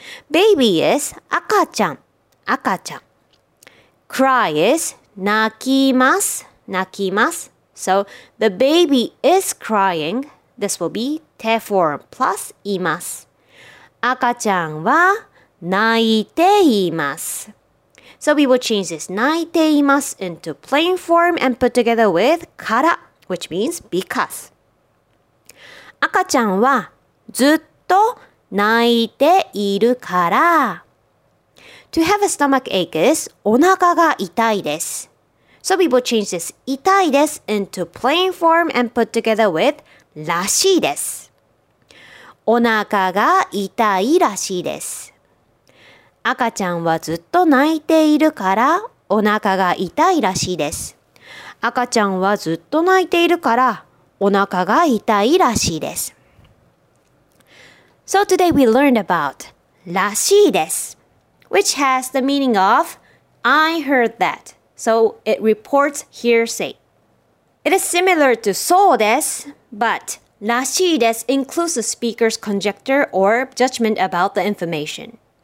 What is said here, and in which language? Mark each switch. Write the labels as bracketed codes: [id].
[en] Baby is [ja] 赤ちゃん、赤ちゃん。 [en] Cry is [ja] 泣きます、泣きます。 [en] So, the baby is crying. This will be て form plus います。 [ja] 赤ちゃんは泣いています。 [en] So, we will change this 泣いています into plain form and put together with から, which means because. [ja] 赤ちゃんはずっと泣いているから。 [en] To have a stomach ache is お腹が痛いです。 So we will change this 痛いです into plain form and put together with らしいです。 [ja] お腹が痛いらしいです。赤ちゃんはずっと泣いているからお腹が痛いらしいです。赤ちゃんはずっと泣いているからお腹が痛いらしいです。 [en] So today we learned about らしいです, which has the meaning of I heard that. So it reports hearsay. It is similar to そうです, but らしいです includes the speaker's conjecture or judgment about the information.